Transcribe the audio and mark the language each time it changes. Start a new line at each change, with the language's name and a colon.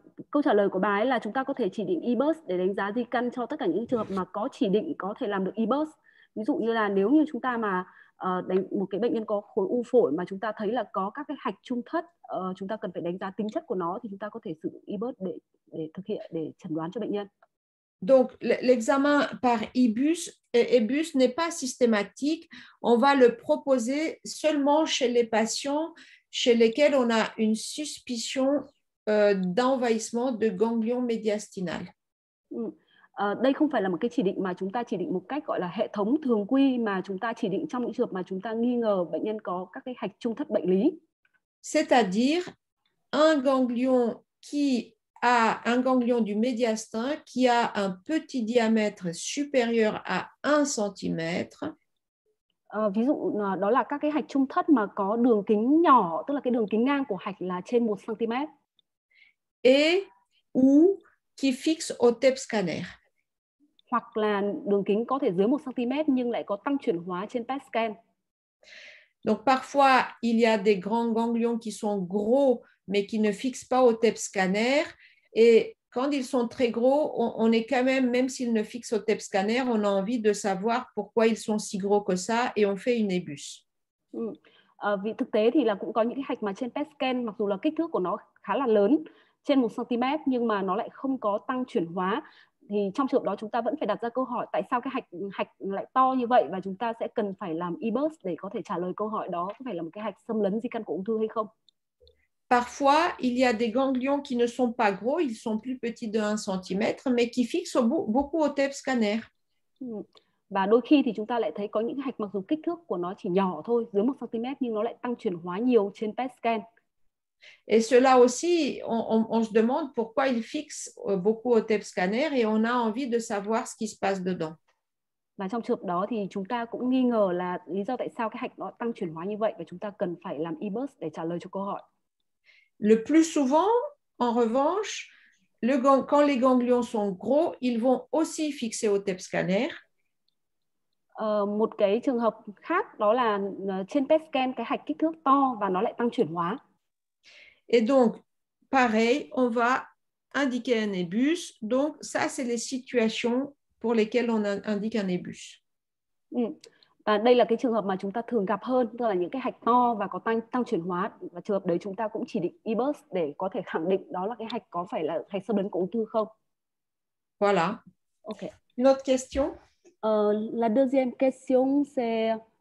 Vietnamese: Câu trả lời của bà ấy là chúng ta có thể chỉ định eBus để đánh giá di căn cho tất cả những trường hợp mà có chỉ định có thể làm được eBus. Ví dụ như là nếu như chúng ta mà đánh một cái bệnh nhân có khối u phổi mà chúng ta thấy là có các cái hạch trung thất, chúng ta cần phải đánh giá tính chất của nó thì chúng ta có thể sử dụng eBus để thực hiện để chẩn đoán cho bệnh nhân.
French: Donc l'examen par eBus n'est pas systématique, on va le proposer seulement chez les patients chez lesquels on a une suspicion d'envahissement de ganglion médiastinal.
Vietnamese: Đây không phải là một cái chỉ định mà chúng ta chỉ định một cách gọi là hệ thống thường quy mà chúng ta chỉ định trong những trường hợp mà chúng ta nghi ngờ bệnh nhân có các cái hạch trung thất bệnh lý.
French: C'est-à-dire un ganglion qui a un ganglion du médiastin qui a un petit diamètre supérieur à 1 cm.
Vietnamese: Ví dụ đó là các cái hạch trung thất mà có đường kính nhỏ, tức là cái đường kính ngang của hạch là trên 1 cm.
French: Et ou qui fixe au TEP scanner.
Vietnamese: Hoặc là đường kính có thể dưới 1 cm nhưng lại có tăng chuyển hóa trên PET scan.
French: Donc parfois il y a des grands ganglions qui sont gros mais qui ne fixent pas au TEP scanner et quand ils sont très gros, on est quand même s'ils ne fixent au TEP scanner, on a envie de savoir pourquoi ils sont si gros que ça et on fait une ébus.
Vietnamese: Vì thực tế thì là cũng có những cái hạch mà trên PET scan mặc dù là kích thước của nó khá là lớn trên 1 cm nhưng mà nó lại không có tăng chuyển hóa thì trong trường hợp đó chúng ta vẫn phải đặt ra câu hỏi tại sao cái hạch lại to như vậy và chúng ta sẽ cần phải làm eBus để có thể trả lời câu hỏi đó có phải là một cái hạch xâm lấn di căn của ung thư hay không.
French: Parfois, il y a des ganglions qui ne sont pas gros, ils sont plus petits de 1 cm mais qui fixent beaucoup au TEP scanner.
Vietnamese: Và đôi khi thì chúng ta lại thấy có những hạch mặc dù kích thước của nó chỉ nhỏ thôi, dưới 1 cm nhưng nó lại tăng chuyển hóa nhiều trên PET scan.
French: Et cela aussi, on se demande pourquoi il fixe beaucoup au TEP scanner et on a envie de savoir ce qui se passe dedans.
Vietnamese: Và trong trường đó thì chúng ta cũng nghi ngờ là lý do tại sao cái hạch nó tăng chuyển hóa như vậy và chúng ta cần phải làm eBus để trả lời cho câu hỏi.
French: Le plus souvent, en revanche, quand les ganglions sont gros, ils vont aussi fixer au TEP scanner.
Vietnamese: Một cái trường hợp khác đó là trên PET scan cái hạch kích thước to và nó lại tăng chuyển hóa.
French: Et donc, pareil, on va indiquer un eBus. Donc, ça, c'est les situations pour lesquelles on indique un eBus.
Vietnamese: Và đây là cái trường hợp mà chúng ta thường gặp hơn, tức là những cái hạch to và có tăng chuyển hóa. Và trường hợp đấy chúng ta cũng chỉ định eBus để có thể khẳng định đó là cái hạch có phải là hạch xâm lấn của ung thư không.
French: Voilà. Ok. Une autre question? La deuxième question, c'est...